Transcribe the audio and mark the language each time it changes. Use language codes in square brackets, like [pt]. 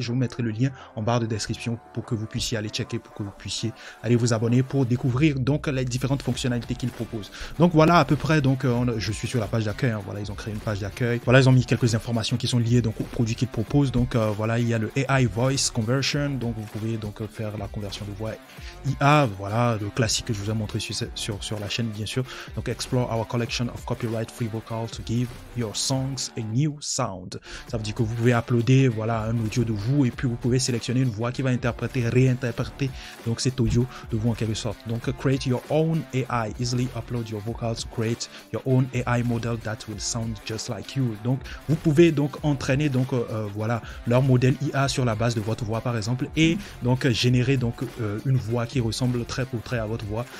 [fr] Je vous mettrai le lien en barre de description pour que vous puissiez aller checker, pour que vous puissiez aller vous abonner pour découvrir donc les différentes fonctionnalités qu'ils proposent. Donc voilà à peu près, donc je suis sur la page d'accueil, hein, voilà, ils ont créé une page d'accueil, voilà, ils ont mis quelques informations qui sont liées donc aux produits qu'ils proposent. Donc voilà, il y a le AI voice conversion, donc vous pouvez donc faire la conversion de voix IA, voilà le classique que je vous ai montré sur la chaîne bien sûr. [en] Donc explore our collection of copyright free vocals to give your songs a new sound. [fr] Ça veut dire que vous pouvez uploader, voilà, un audio de vous et puis vous pouvez sélectionner une voix qui va interpréter, réinterpréter donc cet audio de vous en quelque sorte. [en] Donc create your own AI, easily upload your vocals, create your own AI model that will sound just like you. [fr] Donc vous pouvez donc entraîner donc voilà leur modèle IA sur la base de votre voix par exemple, et donc générer donc une voix qui ressemble très pour très à votre voix.